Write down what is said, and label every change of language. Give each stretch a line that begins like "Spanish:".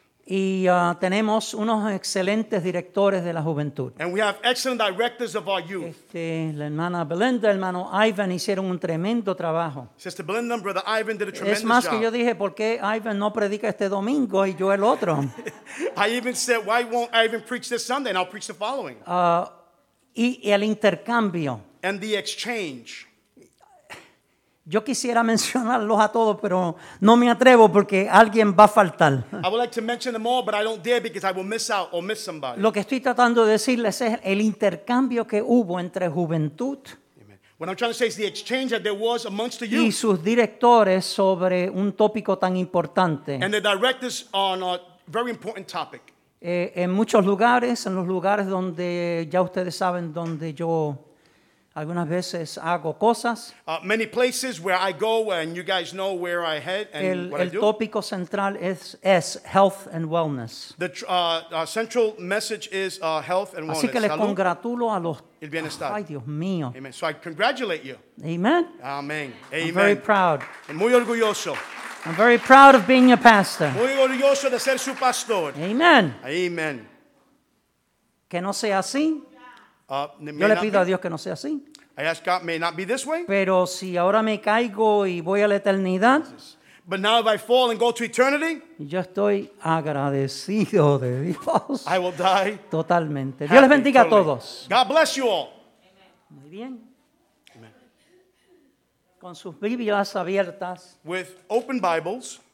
Spanish: Y tenemos unos excelentes directores de la juventud.
English: And we have excellent directors of our youth.
Spanish: La hermana Belinda, el hermano Ivan hicieron un tremendo trabajo.
English: Sister Belinda and brother Ivan did a tremendous job.
Spanish: Es más que
English: job.
Spanish: Yo dije, ¿por qué Ivan no predica este domingo y yo el otro?
English: I even said, why won't Ivan preach this Sunday and I'll preach the following?
Spanish: Y el intercambio.
English: And the exchange.
Spanish: Yo quisiera mencionarlos a todos, pero no me atrevo porque alguien va a faltar.
English: I would like to mention them all, but I don't dare because I will miss out or miss somebody.
Spanish: Lo que estoy tratando de decirles es el intercambio que hubo entre juventud.
English: What I'm trying to say is the exchange that there was amongst the youth.
Spanish: Y sus directores sobre un tópico tan importante.
English: And the directors on a very important topic.
Spanish: En muchos lugares, en los lugares donde ya ustedes saben donde yo algunas veces hago cosas.
English: Many places where I go and you guys know where I head and
Spanish: el,
English: what
Spanish: el
English: I do.
Spanish: El tópico central es
English: health and wellness. The central message is health and wellness.
Spanish: Así que les congratulo a los. El bienestar. Ay, Dios mío.
English: Amen. So I congratulate you. Amen. Amen. I'm very proud.
Spanish: Muy orgulloso.
English: I'm very proud of being your pastor.
Spanish: Muy orgulloso de ser su pastor. Amen. Amen. Que no sea así. Yo le pido a Dios que no sea así.
English: I ask God, may it not be this way.
Spanish: Pero si ahora me caigo y voy a la eternidad.
English: But now if I fall and go to eternity.
Spanish: Yo estoy agradecido de Dios.
English: I will die.
Spanish: Totalmente.
English: Happy,
Spanish: Dios les bendiga
English: totally.
Spanish: A todos.
English: God bless you all.
Spanish: Muy bien. Amen. Con sus Biblias abiertas.
English: With open Bibles.